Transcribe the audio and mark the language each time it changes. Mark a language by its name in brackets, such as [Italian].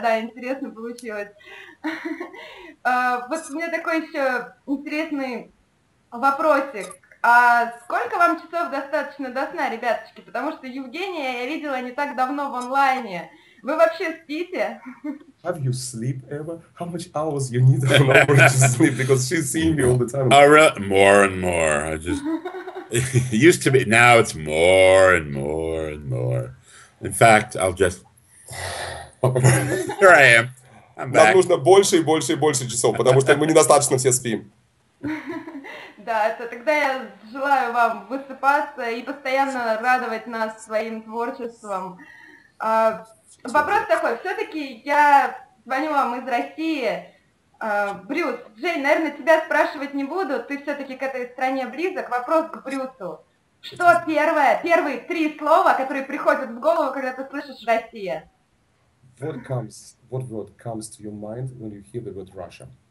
[Russian] Да, интересно получилось. Вот у меня такой еще интересный вопросик. А сколько вам часов достаточно до сна, ребяточки? Потому что Евгения я видела не так давно в онлайне. Вы вообще спите? [English] Have you sleep ever? How much hours you need on average to sleep? Because she's seeing me all the time. More and more. I just used to be. Now it's more and more and more. In fact, I'll just here I am. I'm back. [Russian] Нам нужно больше и больше и больше часов, потому что мы недостаточно все спим. Да, это тогда я желаю вам высыпаться и постоянно радовать нас своим творчеством. Вопрос такой, все-таки я звоню вам из России. Брюс, Жень, наверное, тебя спрашивать не буду, ты все-таки к этой стране близок. Вопрос к Брюсу. Что первые три слова, которые приходят в голову, когда ты слышишь «Россия»? [English] What word comes to your mind when you hear the word Russia?